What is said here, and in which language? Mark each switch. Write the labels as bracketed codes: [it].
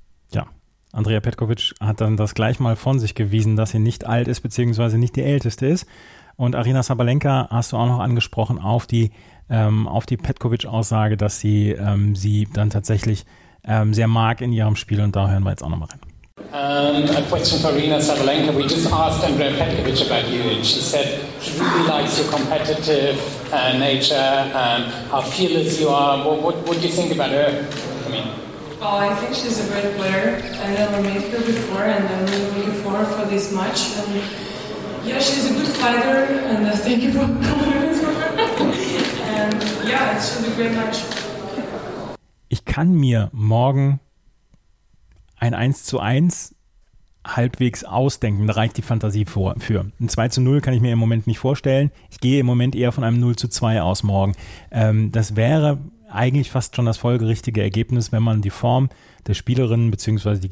[de] Ja, Andrea Petkovic hat dann das gleich mal von sich gewiesen, dass sie nicht alt ist, beziehungsweise nicht die Älteste ist. Und Arina Sabalenka hast du auch noch angesprochen auf die Petkovic-Aussage, dass sie sie dann tatsächlich sehr mag in ihrem Spiel. Und da hören wir jetzt auch nochmal rein. [en] A question for Rina Sabalenka. We just asked Andrea Petkovic about you, and she said she really likes your competitive nature, how fearless you are. What do you think about her? Oh, I think she's a great player. I never met her before, and I'm really looking forward for this match. And yeah, she's a good fighter, and thank you for compliments for her. And yeah, it should be a great match. [de] Ich kann mir morgen ein 1:1 halbwegs ausdenken, da reicht die Fantasie für. Ein 2:0 kann ich mir im Moment nicht vorstellen. Ich gehe im Moment eher von einem 0:2 aus morgen. Das wäre eigentlich fast schon das folgerichtige Ergebnis, wenn man die Form der Spielerinnen bzw.